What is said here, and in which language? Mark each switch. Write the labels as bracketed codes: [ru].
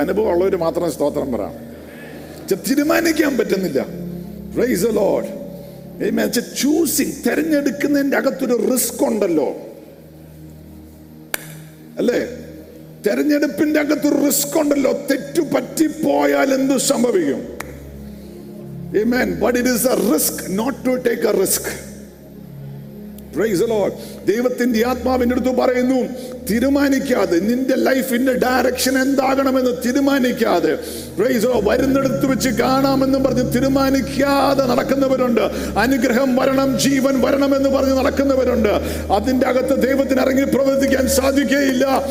[ml] അനുഭവമുള്ളവർ മാത്രമേ സ്തോത്രം പറയാം. തീരുമാനിക്കാൻ പറ്റുന്നില്ല. [en] Praise the lord. [ml] ചൂസിങ്, തിരഞ്ഞെടുക്കുന്നതിൻ്റെ അകത്തൊരു റിസ്ക് ഉണ്ടല്ലോ അല്ലേ? തെരഞ്ഞെടുപ്പിന്റെ അകത്തൊരു റിസ്ക് ഉണ്ടല്ലോ. തെറ്റു പറ്റിപ്പോയാൽ എന്ത് സംഭവിക്കും? ആമേൻ. [en] But it is a risk not to take a risk. Praise the Lord. [ml] ദൈവത്തിന്റെ ആത്മാവ് എന്റെ അടുത്ത് പറയുന്നു, തീരുമാനിക്കാതെ നിന്റെ ലൈഫിന്റെ ഡയറക്ഷൻ എന്താകണമെന്ന് തീരുമാനിക്കാതെ, [en] praise the lord, [ml] വരുന്നെടുത്ത് വെച്ച് കാണാമെന്ന് പറഞ്ഞ് തീരുമാനിക്കാതെ നടക്കുന്നവരുണ്ട്. അനുഗ്രഹം വരണം, ജീവൻ വരണം എന്ന് പറഞ്ഞ് നടക്കുന്നവരുണ്ട്. അതിന്റെ അകത്ത് ദൈവത്തിന് ഇറങ്ങി പ്രവർത്തിക്കാൻ സാധിക്കുകയില്ല.